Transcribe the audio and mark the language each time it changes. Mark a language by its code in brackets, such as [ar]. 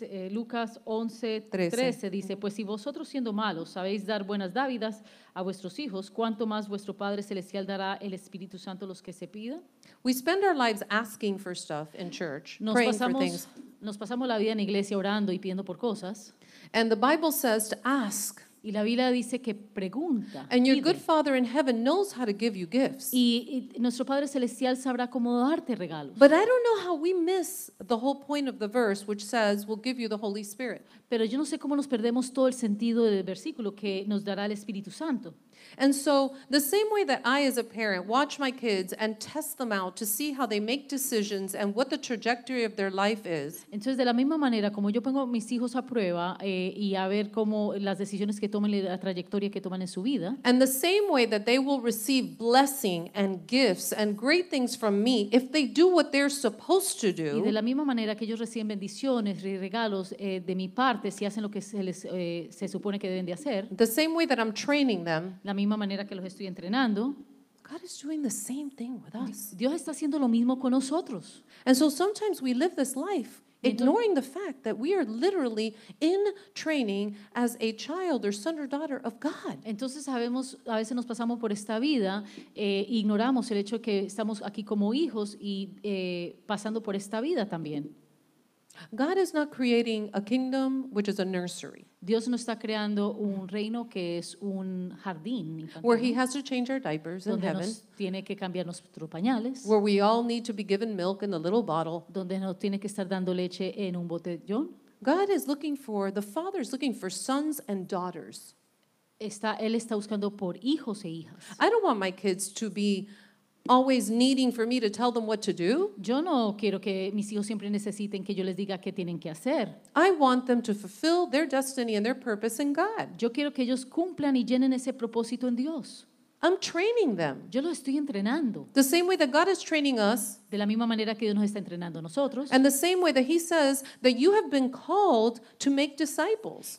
[es] Lucas 11:13 dice, pues si vosotros siendo malos sabéis dar buenas dádivas a vuestros hijos, ¿cuánto más vuestro Padre Celestial dará el Espíritu Santo a los que se pidan? [en] We spend our lives asking for stuff in church, [es] nos [en] praying [es] pasamos, [en] for things. [es] Nos pasamos la vida en iglesia orando y pidiendo por cosas. [en] And the Bible says to ask. [es] Y la Biblia dice que pregunta. [en] And your good Father in heaven knows how to give you gifts. [es] Y nuestro Padre celestial sabrá cómo darte regalos. [en] But I don't know how we miss the whole point of the verse which says we'll give you the Holy Spirit. [es] Pero yo no sé cómo nos perdemos todo el sentido del versículo que nos dará el Espíritu Santo. [en] And so the same way that I as a parent watch my kids and test them out to see how they make decisions and what the trajectory of their life is. [es] Entonces de la misma manera como yo pongo mis hijos a prueba y a ver cómo las decisiones que toman la trayectoria que toman en su vida. [en] And the same way that they will receive blessing and gifts and great things from me if they do what they're supposed to do. [es] Y de la misma manera que ellos reciben bendiciones y regalos de mi parte si hacen lo que se les se supone que deben de hacer. [en] The same way that I'm training them. [es] La misma manera que los estoy entrenando. [en] God is doing the same thing with us. [es] Dios está haciendo lo mismo con nosotros. [en] And so sometimes we live this life ignoring the fact that we are literally in training as a child or son or daughter of God. [es] Entonces sabemos, a veces nos pasamos por esta vida, ignoramos el hecho que estamos aquí como hijos y pasando por esta vida también. [en] God is not creating a kingdom which is a nursery. [es] Dios no está creando un reino que es un jardín. [en] Where he has to change our diapers in heaven. [es] Donde nos tiene que cambiar nuestros pañales. [en] Where we all need to be given milk in a little bottle. [es] Donde nos tiene que estar dando leche en un botellón. [en] God is looking for, the Father is looking for sons and daughters. [es] Él está buscando por hijos e hijas. [en] I don't want my kids to be always needing for me to tell them what to do. [es] Yo no quiero que mis hijos siempre necesiten que yo les diga qué tienen que hacer. [en] I want them to fulfill their destiny and their purpose in God. [es] Yo quiero que ellos cumplan y llenen ese propósito en Dios. [en] I'm training them. [es] Yo los estoy entrenando. [en] The same way that God is training us. [es] De la misma manera que Dios nos está entrenando a nosotros. [en] And the same way that he says that you have been called to make disciples.